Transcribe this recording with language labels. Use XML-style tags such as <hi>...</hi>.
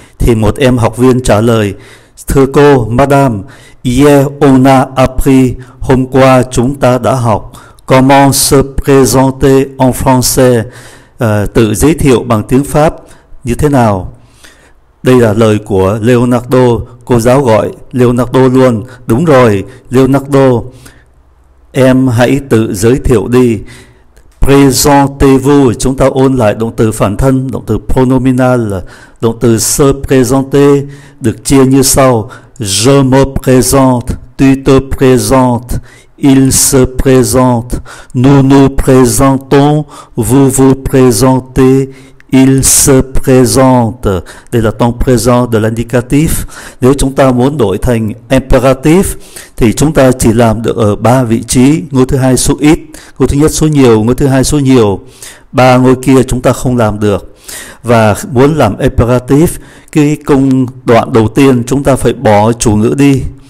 <vi>Thì một em học viên trả lời, thưa cô,</vi> <fr>madame, hier on a appris,</fr> <vi>hôm qua chúng ta đã học,</vi> <fr>comment se présenter en français,</fr> <vi>tự giới thiệu bằng tiếng Pháp như thế nào? Đây là lời của Leonardo, cô giáo gọi Leonardo luôn. Đúng rồi, Leonardo, em hãy tự giới thiệu đi.</vi> <fr>Présentez-vous,</fr> <vi>chúng ta ôn lại động từ phản thân,</vi> <fr>động từ pronominal là động từ se présenter,</fr> <vi>được chia như sau:</vi> <fr>je me présente, tu te présentes, il se présente, nous nous présentons, vous vous présentez, il se présente.</fr> <vi>Đây là</vi> <fr>temps présent de l'indicatif.</fr> <vi>Nếu chúng ta muốn đổi thành impératif thì chúng ta chỉ làm được ở ba vị trí: ngôi thứ hai số ít, ngôi thứ nhất số nhiều, ngôi thứ hai số nhiều. Ba ngôi kia chúng ta không làm được. Và muốn làm imperative, cái công đoạn đầu tiên chúng ta phải bỏ chủ ngữ đi.</vi>